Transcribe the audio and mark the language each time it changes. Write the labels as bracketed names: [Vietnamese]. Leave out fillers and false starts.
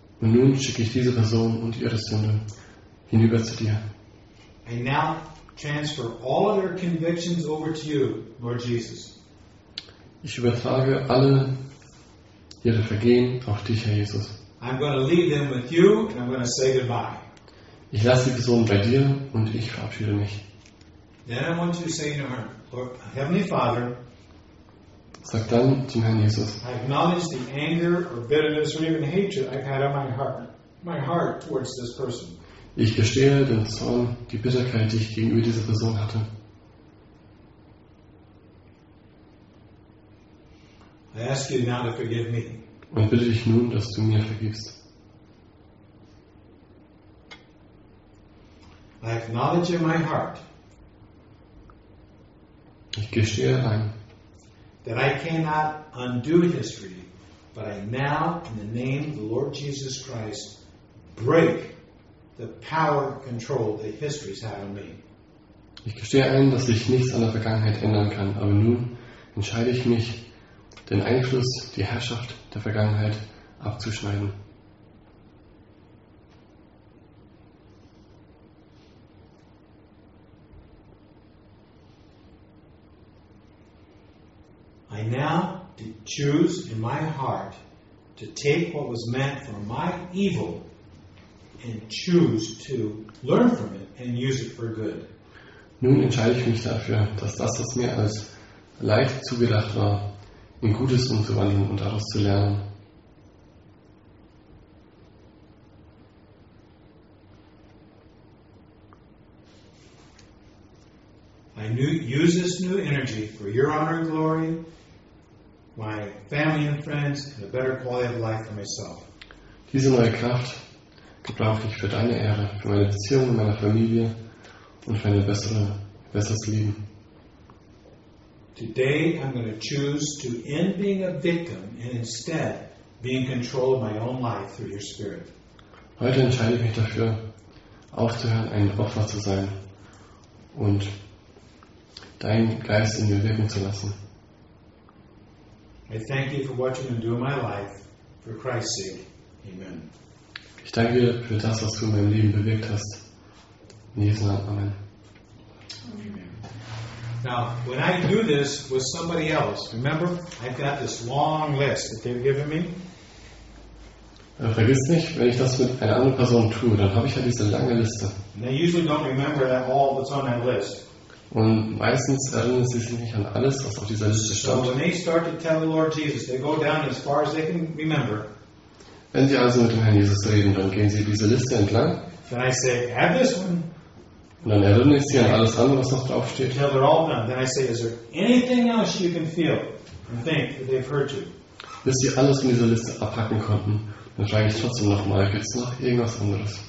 [German] Und nun schicke ich diese Person und ihre Sünde hinüber zu dir. [English] I now transfer all of their convictions over to you, Lord Jesus. [German] Ich übertrage alle ihre Vergehen auf dich, Herr Jesus. [English] I'm going to leave them with you and I'm going to say goodbye. [German] Ich lasse die Person bei dir und ich verabschiede mich. [English] Then I want you to say to her, Lord, Heavenly Father, [German] sag dann dem Herrn Jesus. [English] I acknowledge the anger or bitterness or even hatred I've had on my heart towards this person. [German] Ich gestehe den Zorn, die Bitterkeit, die ich gegenüber dieser Person hatte. [English] I ask you now to forgive me. [German] Und bitte dich nun, dass du mir vergibst. [English] I acknowledge in my heart. [German] Ich gestehe ein. [English] That I cannot undo history, but I now, in the name of the Lord Jesus Christ, break the power control that history has had on me. [German] Ich gestehe ein, dass ich nichts an der Vergangenheit ändern kann, aber nun entscheide ich mich, den Einfluss, die Herrschaft der Vergangenheit abzuschneiden. [English] I now choose in my heart to take what was meant for my evil and choose to learn from it and use it for good. [German] Nun entscheide ich mich dafür, dass das, was mir als leicht zugedacht war, in Gutes umzuwandeln und daraus zu lernen. [English] I I use this new energy for your honor and glory, my family and friends, and a better quality of life for myself. [German] Diese neue Kraft gebrauche ich für deine Ehre, für meine Beziehung mit meiner Familie und für ein besseres Leben. [English] Today I'm going to choose to end being a victim and instead be in control of my own life through your Spirit. [German] Heute entscheide ich mich dafür, aufzuhören, ein Opfer zu sein und deinen Geist in mir wirken zu lassen. [English] I thank you for what you're going to do in my life, for Christ's sake. Amen. [German] Ich danke dir für das, was du in meinem Leben bewirkt hast. In Jesu Namen. Amen. [English] Now, when I do this with somebody else, remember, I've got this long list that they've given me. [German] Vergiss nicht, wenn ich das mit einer anderen Person tue, dann habe ich ja diese lange Liste. [English] And they usually don't remember that all that's on that list. [German] Und meistens erinnern sie sich nicht an alles, was auf dieser Liste stand. [English] So when they start to tell the Lord Jesus, they go down as far as they can remember. [German] Wenn sie also mit dem Herrn Jesus reden, dann gehen sie diese Liste entlang. [English] Then I say, add this one. [German] Und dann erinnere ich sie an alles andere, was noch draufsteht. [English] Until they're all done. Then I say, is there anything else you can feel and think that they've hurt you? [German] Bis sie alles in dieser Liste abpacken konnten, dann frage ich trotzdem nochmal, gibt es noch irgendwas anderes?